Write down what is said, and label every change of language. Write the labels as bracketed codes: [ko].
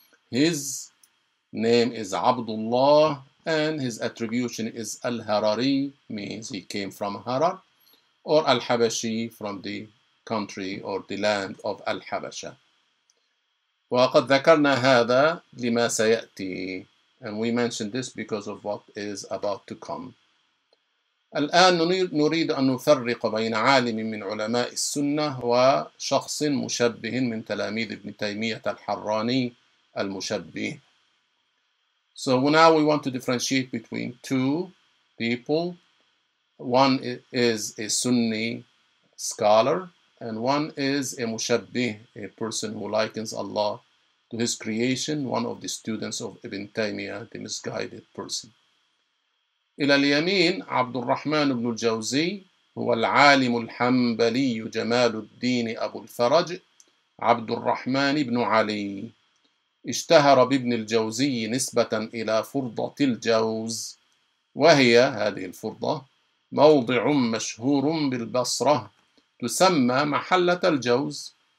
[en] His name is Abdullah, and his attribution is Al-Harari, means he came from Harar, or Al-Habashi, from the country or the land of Al-Habasha. [ar] وَقَدْ ذَكَرْنَا هَذَا لِمَا سَيَأْتِي. [en] And we mentioned this because of what is about to come. [ar] الآن نريد أن نفرق بين عالم من علماء السنة وشخص مشبه من تلاميذ ابن تيمية الحراني المشبه. [en] So now we want to differentiate between two people. One is a Sunni scholar and one is a مشبه, a person who likens Allah to his creation, one of the students of Ibn Taymiyyah, the misguided person. [ar] إلى اليمين عبد الرحمن بن الجوزي هو العالم الحنبلي جمال الدين أبو الفرج عبد الرحمن بن علي اشتهر بابن الجوزي نسبة إلى فرضة الجوز وهي هذه الفرضة موضع مشهور بالبصرة تسمى محلة الجوز